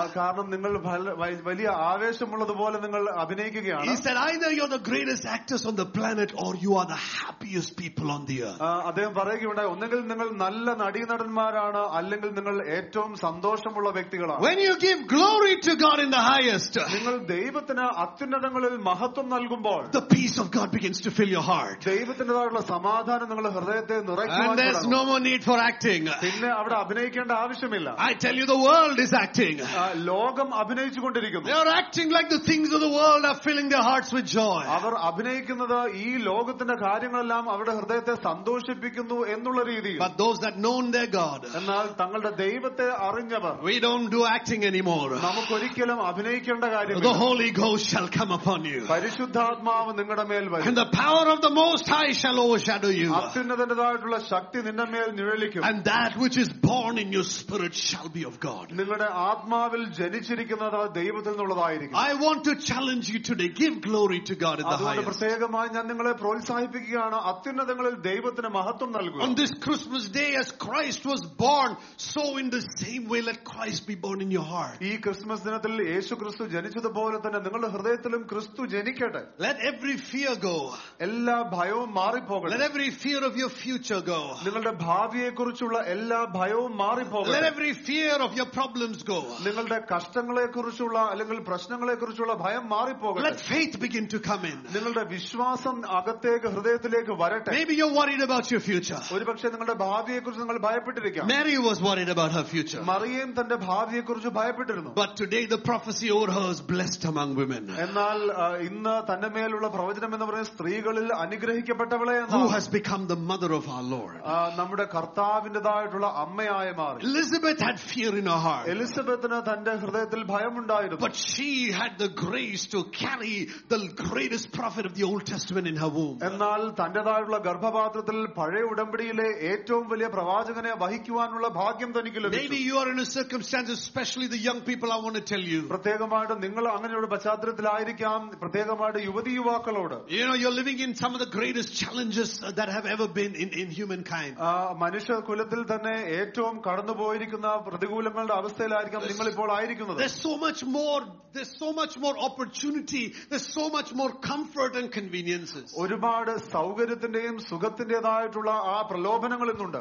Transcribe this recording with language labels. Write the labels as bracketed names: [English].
[Malayalam] കാരണം നിങ്ങൾ വലിയ ആവേശമുള്ളതുപോലെ നിങ്ങൾ അഭിനയിക്കുകയാണ്. [English] He said, either you're the greatest actors on the planet or you are the happiest people on the earth. [Malayalam] അദ്ദേഹം പറയുകയുണ്ടായി, ഒന്നുകിൽ നിങ്ങൾ നല്ല നടീനടന്മാരാണ് അല്ലെങ്കിൽ നിങ്ങൾ ഏറ്റവും സന്തോഷമുള്ള വ്യക്തികളാണ്. [English] When you give glory to God in the highest, [Malayalam] നിങ്ങൾ ദൈവത്തിന് അത്യുന്നതങ്ങളിൽ മഹത്വം നൽകുമ്പോൾ, [English] the peace of God begins to fill your heart. [Malayalam] ദൈവത്തിന്റേതായുള്ള സമാധാനം നിങ്ങളുടെ ഹൃദയത്തെ നിറയ്ക്കുവാൻ തുടങ്ങും. [English] And there's no more need for acting. [Malayalam] പിന്നെ അവിടെ അഭിനയിക്കേണ്ട ആവശ്യമില്ല. [English] I tell you, the world is acting. [Malayalam] ലോകം അഭിനയിച്ചുകൊണ്ടിരിക്കുന്നു. [English] They are acting like the things of the world are filling their hearts with joy. [Malayalam] അവർ അഭിനയിക്കുന്നത് ഈ ലോകത്തിന്റെ കാര്യങ്ങളെല്ലാം അവരുടെ ഹൃദയത്തെ സന്തോഷിപ്പിക്കുന്നു എന്നുള്ള രീതിയിൽ. [English] But those that know their God, [Malayalam] എന്നാൽ തങ്ങളുടെ ദൈവത്തെ അറിഞ്ഞവർ, [English] we don't do acting anymore. [Malayalam] നമുക്ക് ഒരിക്കലും അഭിനയിക്കേണ്ട കാര്യമില്ല. [English] The Holy Ghost shall come upon you. [Malayalam] പരിശുദ്ധാത്മാവ് നിങ്ങളുടെ മേൽ വരും. [English] And the power of the Most High shall overshadow you. [Malayalam] അത്യുന്നതന്റേതായിട്ടുള്ള ശക്തി നിന്റെ മേൽ നിഴലിക്കും. [English] And that which is born in your spirit shall be of God. [Malayalam] നിങ്ങളുടെ ആത്മാവിൽ ജനിച്ചിരിക്കുന്നത് ദൈവത്തിൽ നിന്നുള്ളതായിരിക്കും. [English] I want to challenge you today. Give glory to God in the highest. [Malayalam] അതുകൊണ്ട് പ്രത്യേകമായി ഞാൻ നിങ്ങളെ പ്രോത്സാഹിപ്പിക്കുകയാണ്, അത്യുന്നതങ്ങളിൽ ദൈവത്തിന് മഹത്വം നൽകുക. [English] On this Christmas day, as Christ was born, so in the same way let Christ be born in your heart. [Malayalam] ഈ ക്രിസ്മസ് ദിനത്തിൽ യേശു ക്രിസ്തു ജനിച്ചതുപോലെ തന്നെ നിങ്ങളുടെ ഹൃദയത്തിലും ക്രിസ്തു ജനിക്കട്ടെ. [English] Let every fear go. [Malayalam] എല്ലാ ഭയവും മാറിപ്പോകട്ടെ. [English] Let every fear of your future go. [Malayalam] നിങ്ങളുടെ ഭാവിയെക്കുറിച്ചുള്ള എല്ലാ ഭയവും മാറിപ്പോകട്ടെ. [English] Let every fear of your problems go. [Malayalam] നിങ്ങളുടെ കഷ്ടങ്ങളെക്കുറിച്ചുള്ള അല്ലെങ്കിൽ പ്രശ്നങ്ങളെക്കുറിച്ചുള്ള ഭയം മാറിപ്പോകട്ടെ. [English] Let faith begin to come in. [Malayalam] നിങ്ങളുടെ വിശ്വാസം അകത്തേക്ക് ഹൃദയത്തിലേക്ക് വരട്ടെ. [English] Maybe you're worried about your future. [Malayalam] ഒരുപക്ഷെ നിങ്ങളുടെ ഭാവിയെക്കുറിച്ച് നിങ്ങൾ ഭയപ്പെട്ടിരിക്കാം. [English] Mary was worried about her future. [Malayalam] മറിയയും തന്റെ ഭാവിയെക്കുറിച്ച് ഭയപ്പെട്ടിരുന്നു. [English] But today the prophecy over her is blessed among women. [Malayalam] എന്നാൽ ഇന്ന് തന്റെ മേലുള്ള പ്രവചനം എന്ന് പറയുന്നത് സ്ത്രീകളിൽ അനുഗ്രഹിക്കപ്പെട്ടവളെ എന്നാണ്. [English] Who has become the mother of our Lord. [Malayalam] നമ്മുടെ കർത്താവിന്റേതായിട്ടുള്ള അമ്മയായി മാറി. [English] Elizabeth had fear in her heart. [Malayalam] എലിസബത്തിന് തന്റെ ഹൃദയത്തിൽ ഭയമുണ്ടായിരുന്നു. [English] But she had the grace to carry the greatest prophet of the Old Testament in her womb. [Malayalam] എന്നാൽ തന്റേതായിട്ടുള്ള ഗർഭപാത്രത്തിൽ പഴയ ഉടമ്പടിയിലെ ഏറ്റവും വലിയ പ്രവാചകനെ വഹിക്കുവാനുള്ള ഭാഗ്യം തനിക്ക് ലഭിച്ചു. [English] Maybe you are in a circumstance, especially the young people, I want to tell you. [Malayalam] പ്രത്യേകമായിട്ട് നിങ്ങൾ അങ്ങനെയുള്ള പശ്ചാത്തലത്തിലായിരിക്കാം, പ്രത്യേകമായിട്ട് യുവതി യുവാക്കളോട്. [English] You know, you're living in some of the greatest challenges that have ever been in humankind. [Malayalam] മനുഷ്യ കുലത്തിൽ തന്നെ ഏറ്റവും കടന്നുപോയിരിക്കുന്ന പ്രതികൂലങ്ങളുടെ അവസ്ഥയിലായിരിക്കാം നിങ്ങൾ ഇപ്പോൾ ആയിരിക്കുന്നത്. [English] There's so much more opportunity, there's so much more comfort and conveniences. [Malayalam] ഒരുപാട് സൗകര്യത്തിന്റെയും സുഖത്തിന്റേതായിട്ടുള്ള ആ പ്രലോഭനങ്ങൾ ഇന്നുണ്ട്.